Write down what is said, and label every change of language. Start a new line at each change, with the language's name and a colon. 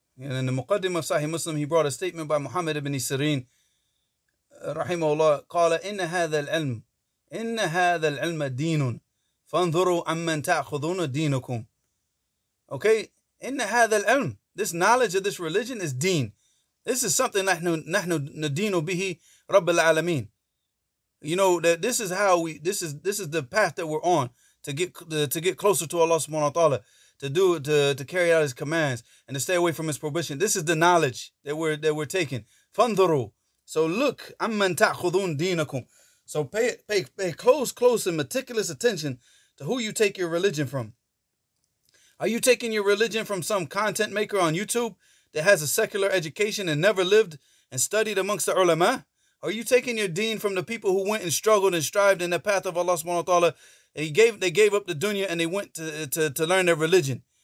English: And in the Muqaddimah of Sahih Muslim, he brought a statement by Muhammad ibn Sirin,
Arabic: رحمه الله قال إن هذا العلم إن هذا العلم دين فانظروا أمن تأخذون دينكم.
English: Okay,
Arabic: إن هذا العلم,
English: this knowledge of this religion is deen. This is something
Arabic: نحن ندين به رب العالمين.
English: You know that this is how we this is the path that we're on to get closer to Allah subhanahu wa ta'ala, to carry out His commands and to stay away from His prohibition. This is the knowledge that we're taking.
Arabic: فانظروا.
English: So look,
Arabic: أَمَّنْ تَأْخُذُونَ دِينَكُمْ.
English: So pay close and meticulous attention to who you take your religion from. Are you taking your religion from some content maker on YouTube that has a secular education and never lived and studied amongst the ulama? Are you taking your deen from the people who went and struggled and strived in the path of Allah subhanahu wa ta'ala? They gave up the dunya and they went to learn their religion.